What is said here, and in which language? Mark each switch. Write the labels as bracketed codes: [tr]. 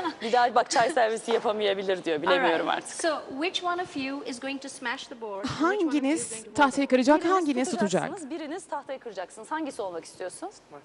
[tr] Bir daha bak çay servisi yapamayabilir diyor. Bilemiyorum artık. [en] So, which one of you is going to smash the board? [tr] Hanginiz tahtayı kıracak, hanginiz tutacak? Biriniz tahtayı kıracaksınız. Hangisi olmak istiyorsunuz?